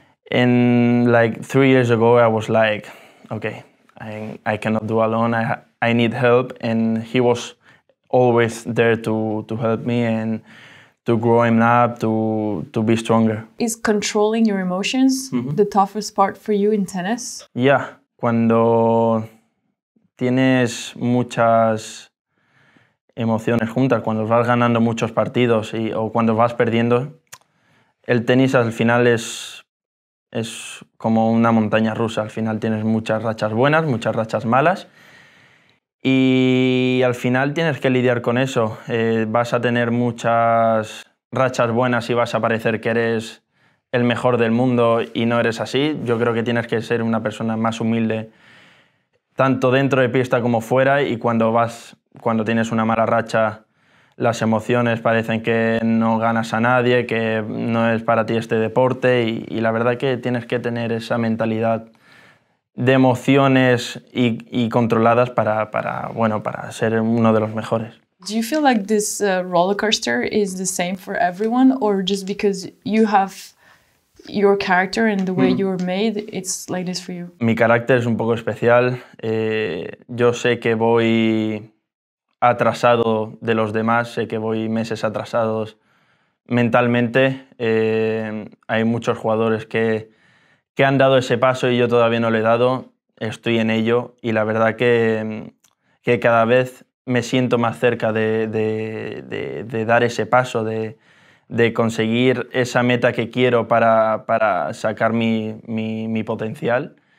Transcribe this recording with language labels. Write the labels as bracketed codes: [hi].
[en] And like 3 years ago, I was like, okay, I cannot do alone. I need help. And he was always there to help me and to grow him up, to be stronger. Is controlling your emotions the toughest part for you in tennis? [es] Yeah, cuando tienes muchas emociones juntas, cuando vas ganando muchos partidos o cuando vas perdiendo, el tenis al final es como una montaña rusa. Al final tienes muchas rachas buenas, muchas rachas malas. Y al final tienes que lidiar con eso. Vas a tener muchas rachas buenas y vas a parecer que eres el mejor del mundo y no eres así. Yo creo que tienes que ser una persona más humilde, tanto dentro de pista como fuera. Y cuando tienes una mala racha, las emociones parecen que no ganas a nadie, que no es para ti este deporte y la verdad que tienes que tener esa mentalidad de emociones y controladas para ser uno de los mejores. [en] Do you feel like this roller coaster is the same for everyone, or just because you have your character and the way you were made, it's like this for you? [es] Mi carácter es un poco especial. Yo sé que voy atrasado de los demás, sé que voy meses atrasados mentalmente. Hay muchos jugadores que han dado ese paso y yo todavía no lo he dado. Estoy en ello y la verdad que cada vez me siento más cerca de dar ese paso, de conseguir esa meta que quiero para sacar mi potencial.